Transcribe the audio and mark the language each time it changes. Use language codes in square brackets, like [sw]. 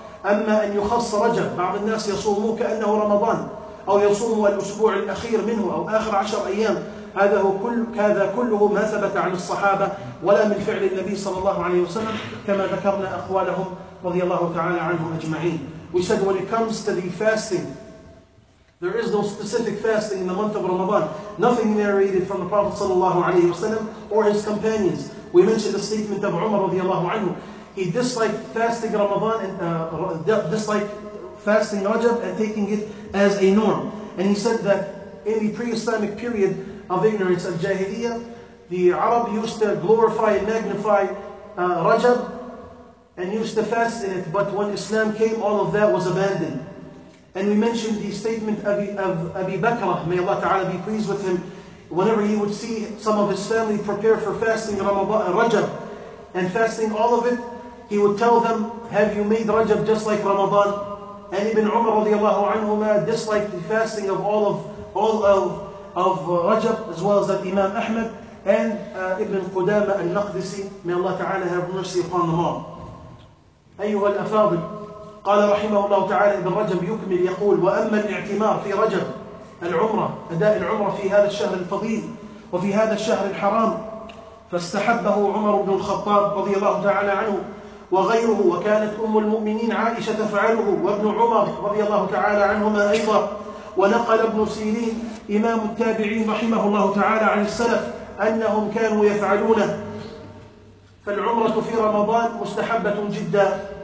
[ar] أما أن يخص رجب، بعض الناس يصوموا كأنه رمضان، أو يصوموا الأسبوع الأخير منه أو آخر 10 أيام، هذا كله ما ثبت عن الصحابة ولا من فعل النبي صلى الله عليه وسلم، كما ذكرنا أقوالهم رضي الله تعالى عنهم أجمعين. [en] We said, when it comes to the fasting, there is no specific fasting in the month of Ramadan. Nothing narrated from the Prophet sallallahu alaihi wasallam or his companions. We mentioned the statement of Umar radiallahu anhu. He disliked fasting Ramadan and disliked fasting Rajab and taking it as a norm. And he said that in the pre-Islamic period of ignorance of Jahiliyyah, the Arab used to glorify and magnify Rajab and used to fast in it. But when Islam came, all of that was abandoned. And we mentioned the statement of Abi Bakr, may Allah Ta'ala be pleased with him, whenever he would see some of his family prepare for fasting Ramadan, Rajab, and fasting all of it, he would tell them, have you made Rajab just like Ramadan? And Ibn Umar radiallahu anhuma disliked the fasting of all of all of Rajab, as well as that Imam Ahmed and Ibn Qudama al-Maqdisi. May Allah Ta'ala have mercy upon them all. [ar] أيها الأفاضل قال رحمه الله تعالى ابن رجب يكمل يقول وأما الاعتمار في رجب العمرة أداء العمرة في هذا الشهر الفضيل وفي هذا الشهر الحرام فاستحبه عمر بن الخطاب رضي الله تعالى عنه وغيره وكانت أم المؤمنين عائشة تفعله وابن عمر رضي الله تعالى عنهما أيضا ونقل ابن سيرين إمام التابعين رحمه الله تعالى عن السلف أنهم كانوا يفعلونه فالعمرة في رمضان مستحبة جدا